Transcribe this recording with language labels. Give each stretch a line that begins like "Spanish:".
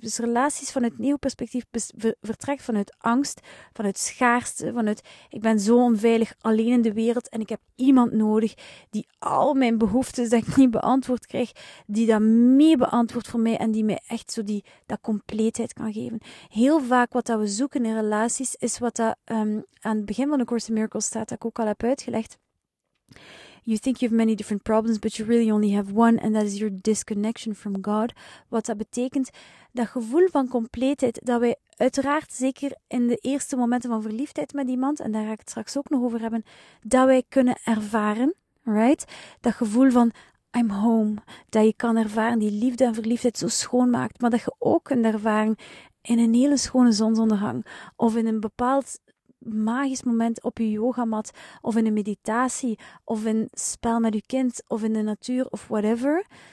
Dutch: Dus relaties vanuit een ego-perspectief vertrekt vanuit angst, vanuit schaarste, vanuit ik ben zo onveilig alleen in de wereld en ik heb iemand nodig die al mijn behoeftes dat ik niet beantwoord krijg, die dat mee beantwoordt voor mij en die mij echt zo die dat compleetheid kan geven. Heel vaak wat dat we zoeken in relaties is wat dat aan het begin van de Course in Miracles staat, dat ik ook al heb uitgelegd.
English: You think you have many different problems, but you really only have one, and that is your disconnection from God.
Dutch: Wat dat betekent, dat gevoel van compleetheid, dat wij uiteraard zeker in de eerste momenten van verliefdheid met iemand, en daar ga ik het straks ook nog over hebben, dat wij kunnen ervaren, right? Dat gevoel van
English: I'm home,
Dutch: dat je kan ervaren, die liefde en verliefdheid zo schoon maakt, maar dat je ook kunt ervaren in een hele schone zonsondergang, of in een bepaald magisch moment op je yogamat, of in een meditatie, of in spel met je kind, of in de natuur, of whatever.